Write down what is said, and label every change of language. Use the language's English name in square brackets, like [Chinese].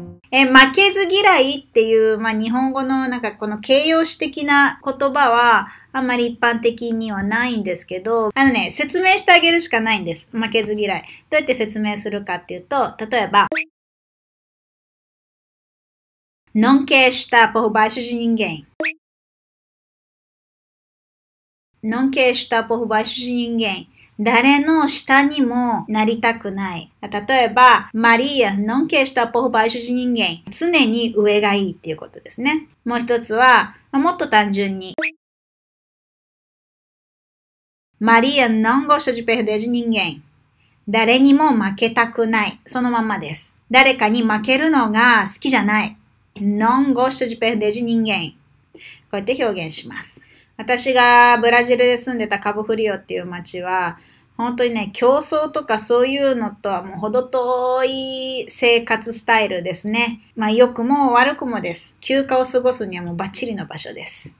[Japanese] 負けず嫌いっていう、日本語のなんかこの形容詞的な言葉は、あんまり一般的にはないんですけど、説明してあげるしかないんです。負けず嫌い。どうやって説明するかっていうと、例えば、 [Portuguese] Não quer estar por baixo de ninguém. Não quer estar por baixo de ninguém. [Japanese] 誰の下にもなりたくない。例えば、 [Portuguese] Maria não quer estar por baixo de ninguém. [Japanese] 常に上がいいっていうことですね。もう一つは、もっと単純に。 [Portuguese] Maria não gosta de perder de ninguém. [Japanese] 誰にも負けたくない。そのままです。誰かに負けるのが好きじゃない。 [Portuguese] Não gosto de perder de ninguém. [Japanese] こうやって表現します。私がブラジルで住んでたカボフリオっていう街は、本当にね、競争とかそういうのとはもう程遠い生活スタイルですね。良くも悪くもです。休暇を過ごすにはもうバッチリの場所です。